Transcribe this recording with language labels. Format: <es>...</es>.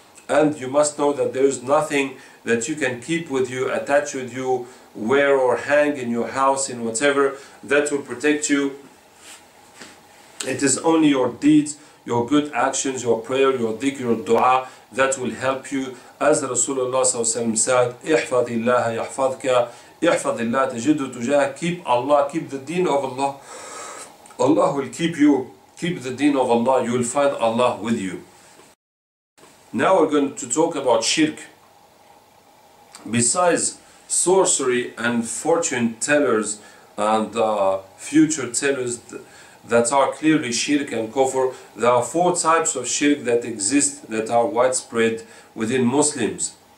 <en>And you must know that there is nothing that you can keep with you, attach with you, wear or hang in your house, in whatever, that will protect you. It is only your deeds, your good actions, your prayer, your dhikr, your dua that will help you. As Rasulullah said,</en> <ar>احفظِ الله يحفظك احفظِ الله تجد تجاه.</ar> <en>Keep Allah, keep the deen of Allah, Allah will keep you. Keep the deen of Allah, you will find Allah with you. Now we're going to talk about shirk. Besides sorcery and fortune tellers and future tellers that are clearly shirk and kufr, there are 4 types of shirk that exist that are widespread within Muslims.</en>